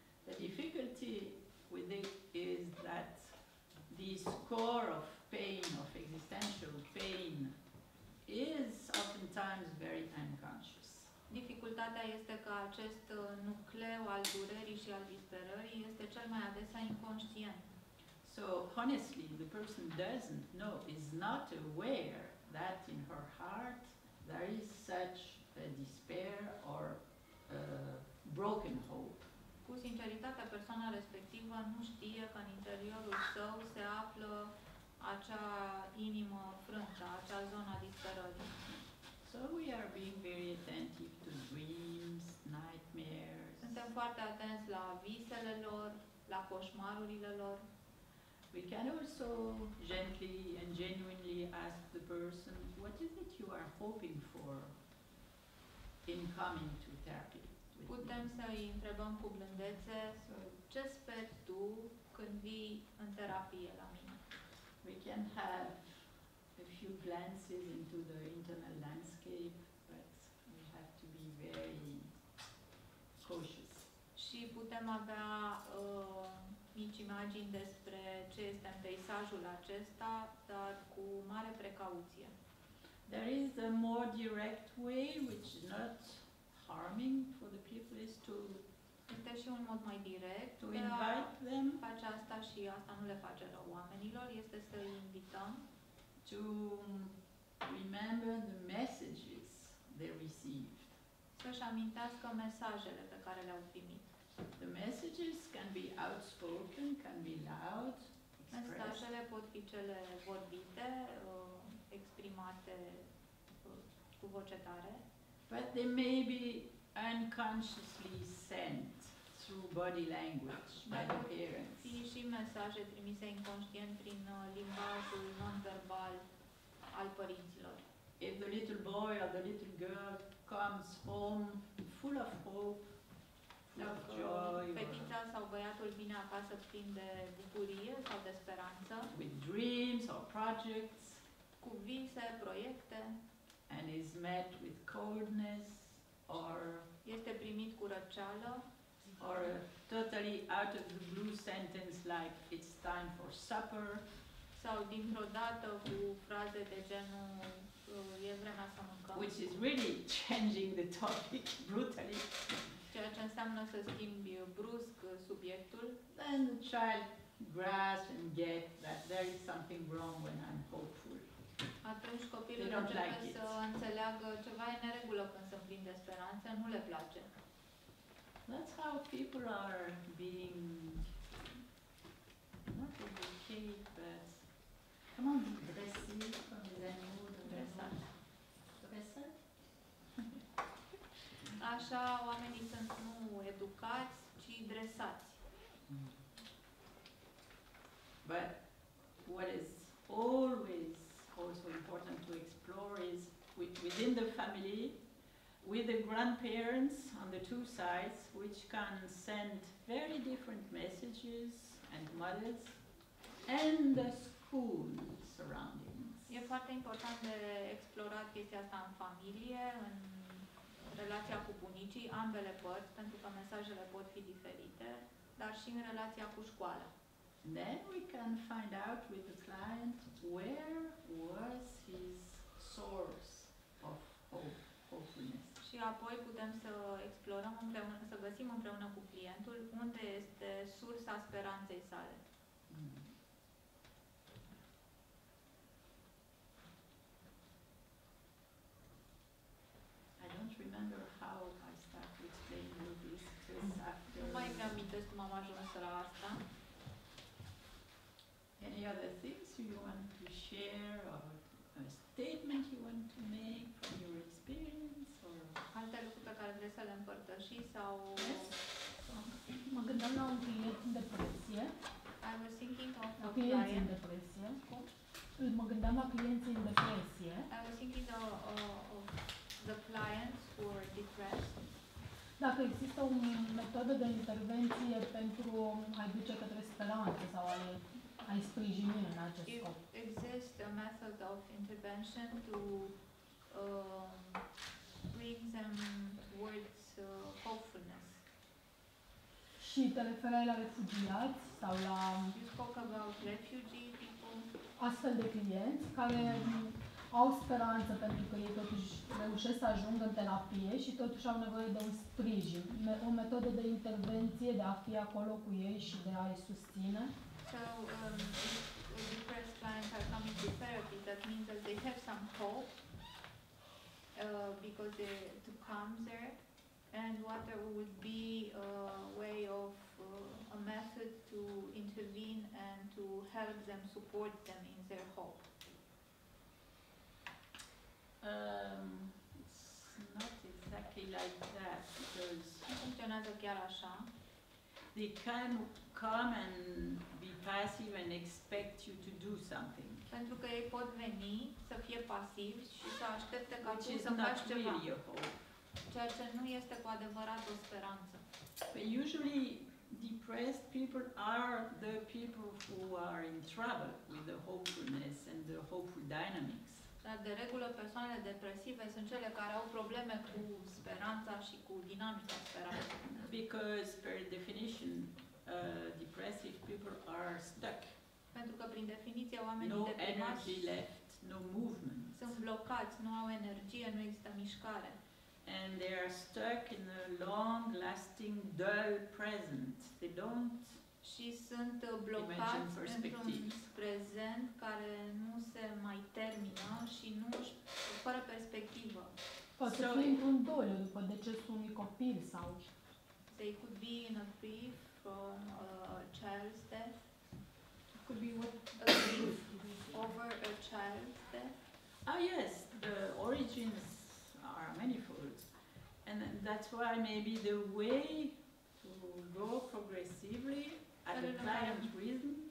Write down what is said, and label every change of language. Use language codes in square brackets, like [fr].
[en] The difficulty with it is that this core of pain, of existential pain, is oftentimes very unconscious. [ro] Dificultatea este că acest nucleu al durerii și al disperării este cel mai adesea inconștient. [en] So, honestly, the person doesn't know, is not aware that in her heart there is such a despair or a broken hope. [ro] Cu sinceritate, persoana respectivă nu știe că în interiorul său se află acea inimă frântă, acea zonă a disperării. [en] So we are being very attentive to dreams, nightmares. [ro] Suntem foarte atenți la visele lor, la coșmarurile lor. [en] We can also gently and genuinely ask the person, what is it you are hoping for in coming to therapy? [ro] Putem să îi întrebăm cu blândețe, ce speri tu când vii în terapie la mine? [en] We can have a few glances into the internal landscape, but we have to be very cautious. [ro] Și putem avea mici imagini despre ce este în peisajul acesta, dar cu mare precauție. [en] There is a more direct way, which is not harming for the people, is to [ro] este și un mod mai direct [en] to invite them. [ro] Face asta și asta nu le face rău oamenilor, este să îi invităm. [en] To remember the messages they received. [ro] Să-și amintească mesajele pe care le-au primit. [en] The messages can be outspoken, can be loud, expressed. [ro] Mesajele pot fi cele vorbite, exprimate cu voce tare. [en] But they may be unconsciously sent through body language by the parents. [ro] Fie și mesaje trimise inconștient prin limbajul non-verbal al părinților. [en] If the little boy or the little girl comes home full of hope, of joy, [ro] fetița sau băiatul vine acasă plin de bucurie sau de speranță, [en] with dreams or projects, [ro] cu vise, proiecte, [en] and is met with coldness or [ro] este primit cu răceală, [en] or a totally out of the blue sentence like it's time for supper, [ro] sau dintr-o dată cu fraze de genul e vremea să mâncăm, [en] which is really changing the topic brutally, [ro] ceea ce înseamnă să schimbi brusc subiectul, [en] then the child grasps and gets that there is something wrong when I'm hopeful. [ro] Atunci copilul începe [en] like [ro] să [en] it. [ro] Înțeleagă ceva e neregulă când sunt plin de speranță, nu le place. [en] That's how people are being not in the cave, but [fr] comment dresser comme des animaux de dressage. [ro] Așa oamenii sunt nu e educați, ci dresați. [en] But what is always also important to explore is within the family, with the grandparents on the two sides, which can send very different messages and models, and the school surroundings. [ro] E foarte important de explorat chestia asta în familie, în relația cu bunicii, ambele părți, pentru că mesajele pot fi diferite, dar și în relația cu școala. [en] Then we can find out with the client where was his source of hope, hopefulness. [ro] Și apoi putem să explorăm împreună, să găsim împreună cu clientul unde este sursa speranței sale. [en] I don't remember how I started explaining this after. [ro] Nu mai amintesc cum am ajuns la asta. [en] Any other things you want to share, or a statement you want to make from your experience, or [ro] alte lucruri pe care vrei să le împărtăși sau? [en] Yes. [ro] Mă gândeam la un client în depresie. [en] I was thinking of a client [ro] in depresie. Mă gândeam la clienții în depresie. [en] I was thinking of the clients who are depressed. [ro] Dacă există o metodă de intervenție pentru a-i duce către speranță sau a-i sprijini în acest scop. [en] Exists a method of intervention to bring them towards hopefulness. [ro] Și te referai la refugiați sau la [en] you spoke about refugee people. [ro] Astfel de clienți care au speranță pentru că ei totuși reușesc să ajungă în terapie și totuși au nevoie de un sprijin, o metodă de intervenție, de a fi acolo cu ei și de a-i susține. [en] So, if depressed clients are coming to therapy, that means that they have some hope because they to come there. And what would be a way of a method to intervene and to help them, support them in their hope? It's not exactly like that because [ro] nu funcționează chiar așa. [en] They can come and be passive and expect you to do something. [ro] Pentru că ei pot veni să fie pasivi și să aștepte ca [en] which [ro] tu să faci ceva. [en] Which is not really a hope. [ro] Ceea ce nu este cu adevărat o speranță. [en] But usually depressed people are the people who are in trouble with the hopefulness and the hopeful dynamics. [ro] Dar de regulă persoanele depresive sunt cele care au probleme cu speranța și cu dinamica speranței. [en] Because per definition, depressive people are stuck. [ro] Pentru că prin definiție oamenii deprimați sunt blocați, nu au energie, nu există mișcare. [en] And they are stuck in a long-lasting dull present. They don't [ro] și sunt blocați într-un prezent care nu se mai termină și nu fără perspectivă. Poate să fie într-un doliu după decesul unui copil sau [en] they could be in a grief from a child's death. It could be what? A grief over a child's death. Ah yes, the origins are manifold. And that's why maybe the way to go progressively at the client's rhythm,